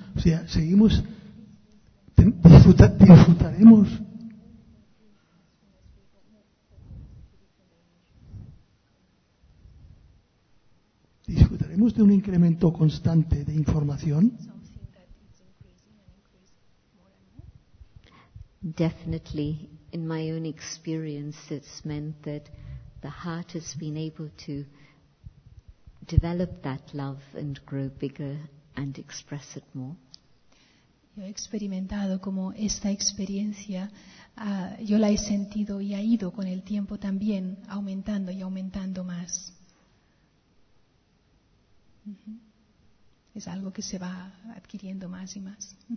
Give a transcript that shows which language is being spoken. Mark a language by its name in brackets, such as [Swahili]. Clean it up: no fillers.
[Spanish] O sea, ¿seguimos, disfrutaremos? ¿Disfrutaremos de un incremento constante de información? [English] Definitely, in my own experience, it's meant that the heart has been able to develop that love and grow bigger and express it more. [Spanish] Yo he experimentado como esta experiencia, yo la he sentido y ha ido con el tiempo también aumentando y aumentando más. Es algo que se va adquiriendo más y más.